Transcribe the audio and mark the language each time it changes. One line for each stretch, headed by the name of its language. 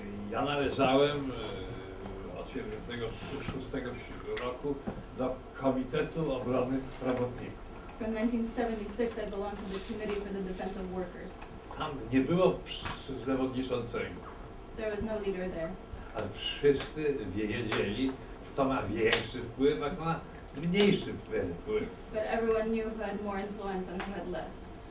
Polish: Ja należałem od 1976 roku do Komitetu Obrony Robotników.
English: From 1976 I belonged to the Committee for the Defense of Workers.
Polish: Tam nie było przewodniczącego.
English: There was no leader there.
Polish: Ale wszyscy wiedzieli, kto ma większy wpływ, a kto ma mniejszy wpływ.
English: But everyone knew who had more influence and who had less.